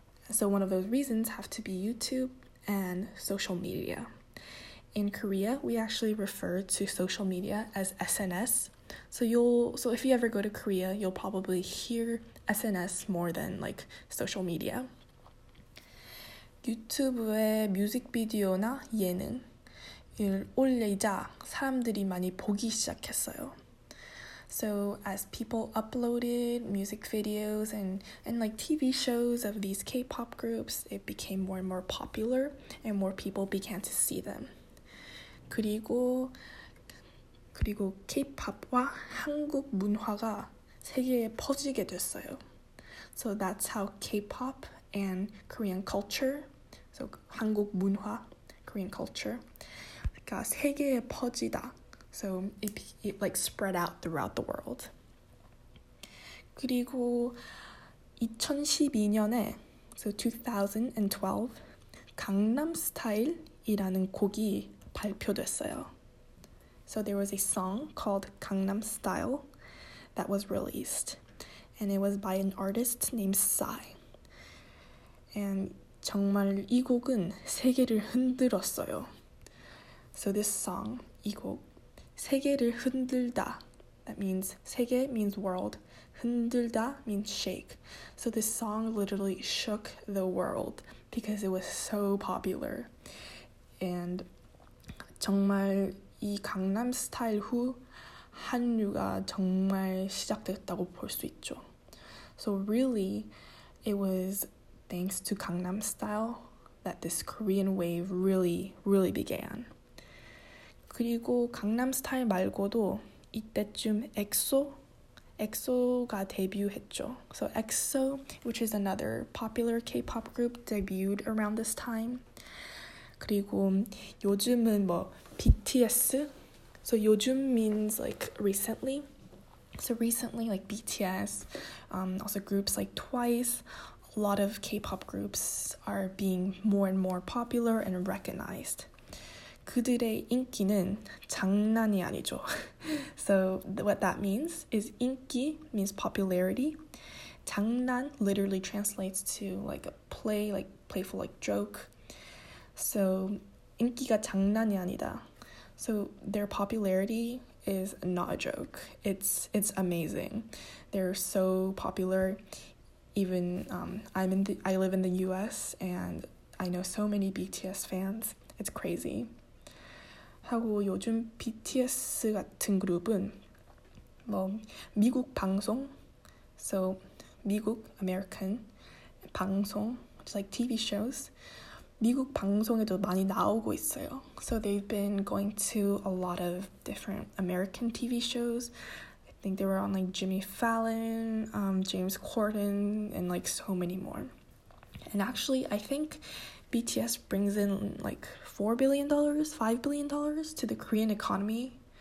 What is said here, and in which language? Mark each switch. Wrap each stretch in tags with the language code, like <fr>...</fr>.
<en>So one of those reasons have to be YouTube and social media. In Korea, we actually refer to social media as SNS. So if you ever go to Korea, you'll probably hear SNS more than like social media.</en> <ko>유튜브에 뮤직비디오나 예능 올리자 사람들이 많이 보기 시작했어요.</ko> <en>So as people uploaded music videos and like TV shows of these K-pop groups, it became more and more popular and more people began to see them.</en> <ko>그리고 K-pop과 한국 문화가 세계에 퍼지게 됐어요.</ko> <en>So that's how K-pop and Korean culture, so</en> <ko>한국 문화,</ko> <en>Korean culture,</en> <ko>세계에 퍼지다.</ko> <en>So it like spread out throughout the world.</en> <ko>그리고 2012년에, so 2012, 강남 스타일이라는 곡이 발표됐어요.</ko> <en>So there was a song called Gangnam Style that was released. And it was by an artist named Psy.</en> <ko>And 정말 이 곡은 세계를 흔들었어요.</ko> <en>So this song,</en> <ko>이 곡, 세계를 흔들다.</ko> <en>That means, 세계 means world. 흔들다 means shake. So this song literally shook the world because it was so popular.</en> <ko>And 정말 이 강남 스타일 후 한류가 정말 시작됐다고 볼 수 있죠.</ko> <en>So really, it was thanks to Gangnam Style that this Korean wave really, really began.</en> <ko>그리고 강남 스타일 말고도 이때쯤 엑소가 데뷔했죠.</ko> <en>So EXO, which is another popular K-pop group, debuted around this time.</en> <ko>그리고 요즘은 뭐 BTS?</ko> <en>So 요즘 means like recently. So recently, like BTS, also groups like Twice, a lot of K-pop groups are being more and more popular and recognized.</en> <ko>그들의 인기는 장난이 아니죠.</ko> <en>So what that means is 인기 means popularity. 장난 literally translates to like a play, like playful, like joke.</en> <ko>So 인기가 장난이 아니다.</ko> <en>So their popularity is not a joke. It's amazing. They're so popular. Even I live in the US and I know so many BTS fans. It's crazy.</en> <ko>하고 요즘 BTS 같은 그룹은 뭐 미국 방송, so 미국 American 방송,</ko> <en>just like TV shows.</en> <ko>미국 방송에도 많이 나오고 있어요.</ko> <en>So they've been going to a lot of different American TV shows. I think they were on like Jimmy Fallon, James Corden, and like so many more. And actually, I think BTS brings in like $4 billion, $5 billion to the Korean economy.</en>